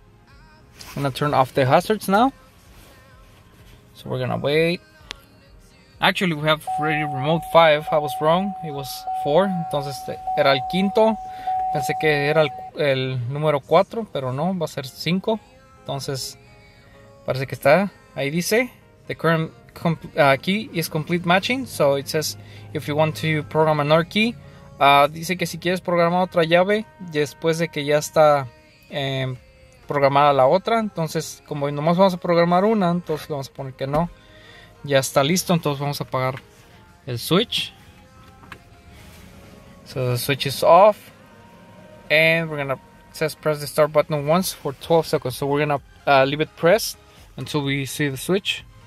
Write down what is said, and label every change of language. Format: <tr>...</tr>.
<en>I'm gonna turn off the hazards now. So we're gonna wait. Actually, we have ready remote 5. I was wrong. It was 4.</en> <es>Entonces, era el quinto. Pensé que era el número 4, pero no, va a ser 5. Entonces, parece que está. Ahí dice,</es> <en>the current key is complete matching. So, it says, if you want to program another key.</en> <es>Dice que si quieres programar otra llave, después de que ya está programada la otra. Entonces, como nomás vamos a programar una, entonces vamos a poner que no. Ya está listo, entonces vamos a apagar el switch.</es> <en>So the switch is off. And we're gonna, it says press the start button once for 12 seconds. So we're gonna leave it pressed until we see the switch.</en>